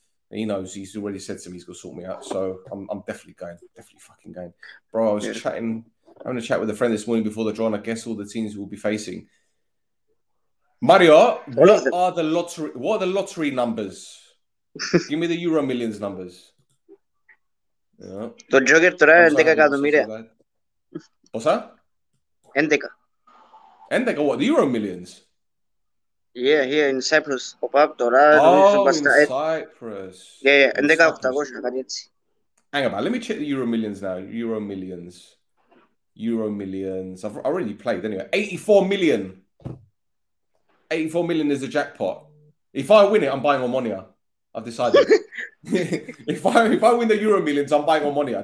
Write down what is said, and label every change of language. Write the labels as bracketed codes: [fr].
[en] He knows, he's already said to me he's going to sort me out. So I'm definitely going, Bro, I was chatting, having a chat with a friend this morning before the draw, and I guess all the teams we'll be facing. Mario, what are the lottery numbers? Give me the Euro Millions numbers. [el] Το Joker τώρα είναι 11 εκατομμύρια. Πόσα? 11. [en] 11, what, the Euro Millions? Yeah, here in Cyprus. [el] Ο Παπ τώρα... [en] Cyprus. Yeah, [el] 11,800, κάτι έτσι. [en] Hang about, let me check the Euro Millions now. Euro Millions. Euro Millions. I've already played, anyway. 84 million. 84 million is a jackpot. If I win it, I'm buying Omonia. I've decided. If I win the Euro Millions, I'm buying Omonia.